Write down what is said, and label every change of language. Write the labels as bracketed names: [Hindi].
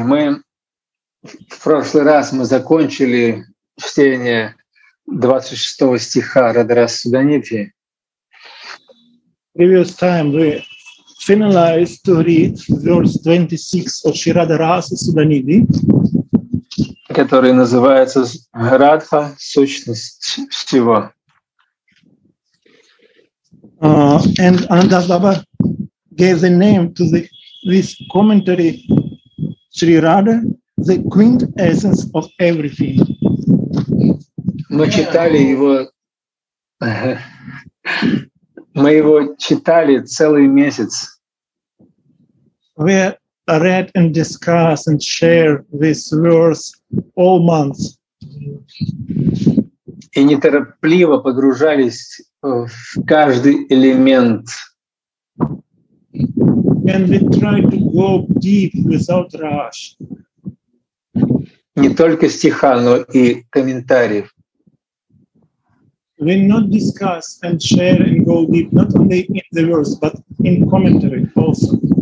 [Russian] Мы в прошлый раз мы закончили чтение 26 стиха Радарас Суданити. [English] Previous time we finalized to read verse 26 of Shri Radharasa Sudhanidhi, [Russian] который называется Радха, сущность всего. [English] And Anandas Baba gave the name to this commentary Sri Radha, the quintessence of everything. [Russian] Мы читали его, мы его читали целый месяц. [English] We read and discuss and share this verse all month. [Russian] И неторопливо погружались в каждый элемент. [English] And we try to go deep without rush. [Russian] Не только стиха, но и комментариев. [English] We not discuss and share and go deep not only in the verse, but in commentary also.